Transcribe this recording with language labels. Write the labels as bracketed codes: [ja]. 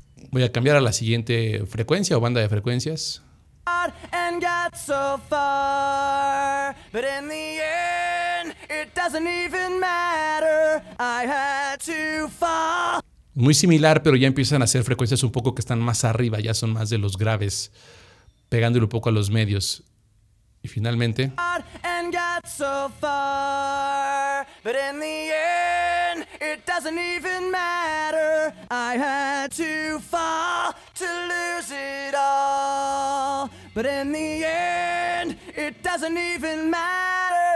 [es] Voy a cambiar a la siguiente frecuencia o banda de frecuencias. [en] And got so far, but in the end, it doesn't even matter. I had to fall. [es] Muy similar, pero ya empiezan a hacer frecuencias un poco que están más arriba, ya son más de los graves, pegándole un poco a los medios. Y finalmente, [en] and got so far, but in the end, it doesn't even matter. I had to fall to lose it all. But in the end, it doesn't even matter.